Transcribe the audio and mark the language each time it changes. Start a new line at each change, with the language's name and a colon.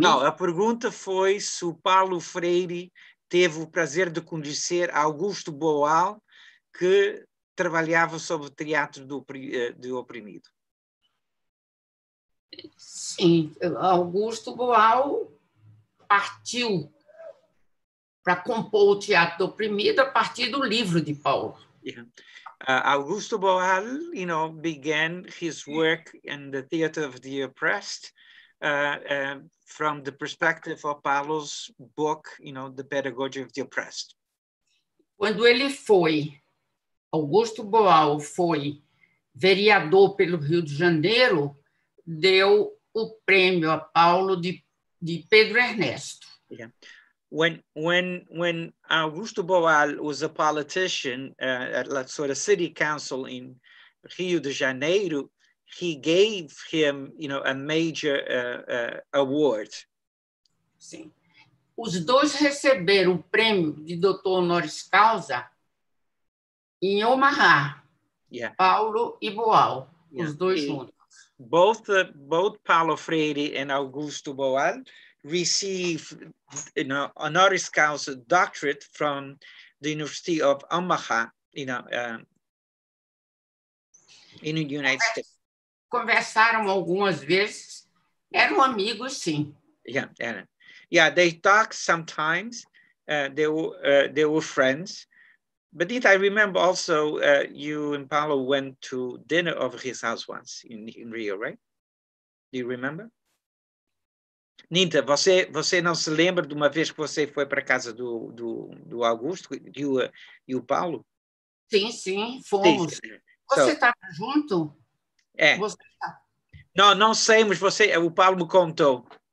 Portuguese: Não, a pergunta foi se o Paulo Freire teve o prazer de conhecer Augusto Boal, que trabalhava sobre o teatro do oprimido. Sim, Augusto Boal partiu para compor o teatro oprimido a partir do livro de Paulo.
English: Yeah. Augusto Boal, you know, began his work in the Theater of the Oppressed from the perspective of Paulo's book, you know, The Pedagogy of the Oppressed.
Portuguese: Quando ele foi, Augusto Boal foi vereador pelo Rio de Janeiro, deu o prêmio a Paulo de Pedro Ernesto.
English: Yeah. When Augusto Boal was a politician at La Sora City Council in Rio de Janeiro, he gave him, you know, a major award.
Portuguese: Sim. Os dois receberam o prêmio de Dr. Honoris Causa em Omaha.
English: Yeah.
Portuguese: Paulo e Boal, yeah. Os dois juntos.
English: Both Paulo Freire and Augusto Boal received, you know, honoris causa doctorate from the University of Omaha, you know, in the United States.
Portuguese: Conversaram algumas vezes. Eram amigos, sim.
English: Yeah, yeah. Yeah, they talked sometimes. They were friends. But Nita, I remember also you and Paulo went to dinner over his house once in Rio, right? Do you remember?
Portuguese: Nita, você não se lembra de uma vez que você foi para a casa do Augusto, e o Paulo? Sim, sim, fomos. Sim, sim. Você estava junto? É. Não sei, mas o Paulo me contou.